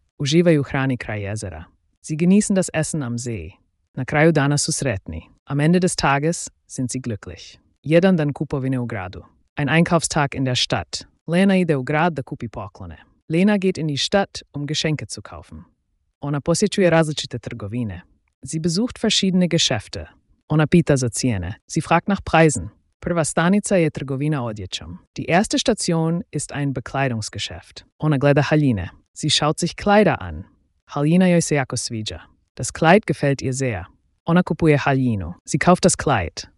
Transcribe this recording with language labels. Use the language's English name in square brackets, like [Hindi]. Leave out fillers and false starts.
[Croatian] Uživaju hrani kraj jezera. [German] Sie genießen das Essen am See. [Croatian] Na kraju dana su sretni. [German] Am Ende des Tages sind sie glücklich. [Croatian] Jedan dan kupovine u gradu. [German] Ein Einkaufstag in der Stadt. [Croatian] Lena ide u grad da kupi poklone. [German] Lena geht in die Stadt, um Geschenke zu kaufen. [Croatian] Ona posjećuje različite trgovine. [German] Sie besucht verschiedene Geschäfte. [Croatian] Ona pita za cijene. [German] Sie fragt nach Preisen. [Croatian] Prva stanica je trgovina odjećom. [German] Die erste Station ist ein Bekleidungsgeschäft. [Croatian] Ona gleda haljine. [German] Sie schaut sich Kleider an. [Croatian] Haljina joj se jako sviđa. [German] Das Kleid gefällt ihr sehr. [Croatian] Ona kupuje haljinu. [German] Sie kauft das Kleid.